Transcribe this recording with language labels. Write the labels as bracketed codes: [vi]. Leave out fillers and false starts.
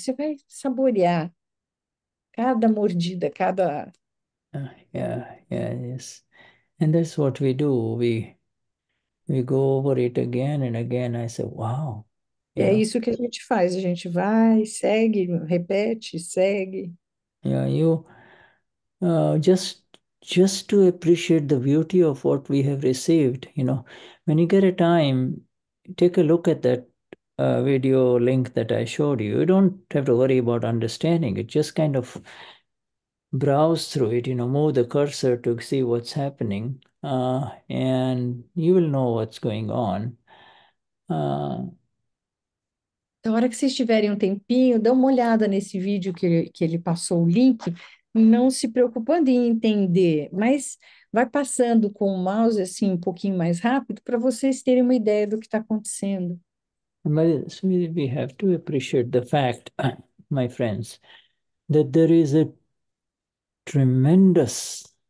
[pt] Você vai saborear cada mordida, cada. [en] And that's what we do. We go over it again and again. I say, wow. [pt] É isso que a gente faz. A gente vai, segue, repete, segue. [en] Yeah, you just to appreciate the beauty of what we have received, you know. When you get a time, take a look at that video link that I showed you. You don't have to worry about understanding it. Just kind of browse through it, you know, move the cursor to see what's happening, and you will know what's going on. [pt] Na hora que vocês tiverem um tempinho, dê uma olhada nesse vídeo que ele passou o link, não se preocupando em entender, mas vai passando com o mouse assim um pouquinho mais rápido para vocês terem uma ideia do que está acontecendo. [en] Mas we have to appreciate the fact, my friends, that there is a tremendous